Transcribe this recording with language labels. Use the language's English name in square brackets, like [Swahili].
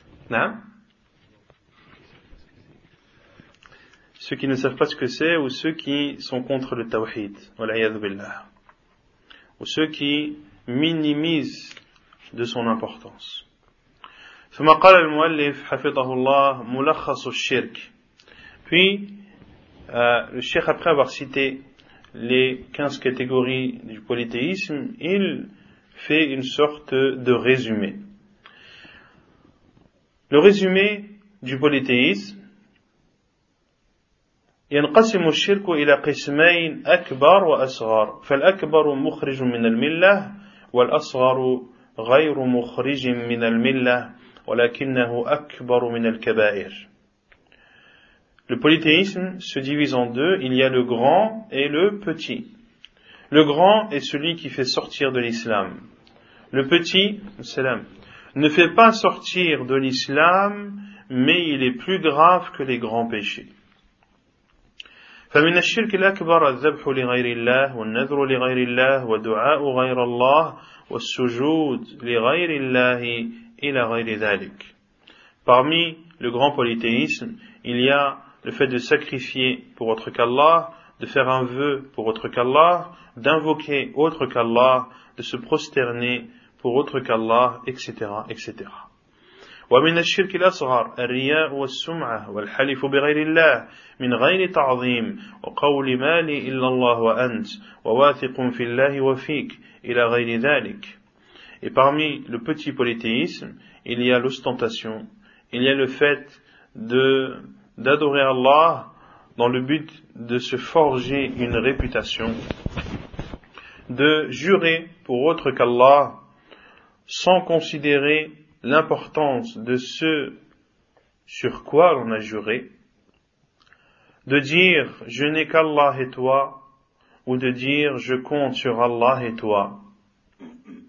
[French] Non? Ceux qui ne savent pas ce que c'est ou ceux qui sont contre le tawhid, wal'ayadu billah, ou ceux qui minimisent de son importance. [Arabic] ثم قال المؤلف حفظه الله ملخص الشرك. [French] Puis le cheikh, après avoir cité les 15 catégories du polythéisme, il fait une sorte de résumé. Le résumé du polythéisme: [Arabic] ينقسم الشرك الى قسمين اكبر واصغر فالاكبر مخرج من المله والاصغر غير مخرج من المله ولكنه اكبر من الكبائر. [French] Le polythéisme se divise en deux, il y a le grand et le petit. Le grand est celui qui fait sortir de l'islam. Le petit, salam, ne fait pas sortir de l'islam, mais il est plus grave que les grands péchés. [Arabic] فمن الشرك الأكبر الذبح لغير الله والنذر لغير الله ودعاء غير الله والسجود لغير الله إلى غير ذلك. [French] Parmi le grand polythéisme, il y a le fait de sacrifier pour autre qu'Allah, de faire un vœu pour autre qu'Allah, d'invoquer autre qu'Allah, de se prosterner pour autre qu'Allah, etc., etc. [Arabic] ومن الشرك الأصغر الرياء والسمعة والحلف بغير الله من غير تعظيم وقول ما لي إلا الله وأنت وواثق في الله وفيك إلى غير ذلك. [French] Et parmi le petit polythéisme, il y a l'ostentation, il y a le fait d'adorer Allah dans le but de se forger une réputation, de jurer pour autre qu'Allah sans considérer l'importance de ce sur quoi l'on a juré, de dire « je n'ai qu'Allah et toi » ou de dire « je compte sur Allah et toi ».